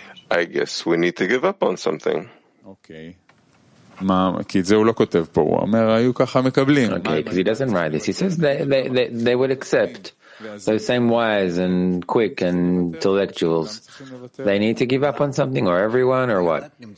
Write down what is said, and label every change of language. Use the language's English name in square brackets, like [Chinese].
[English] I guess we need to give up on something. Okay. [Hebrew] כי זה הוא לא כותב פה, הוא אומר, היו ככה מקבלים. [English] Okay, because he doesn't write this. He says they would accept those same wise and quick and intellectuals. They need to give up on something or everyone or what?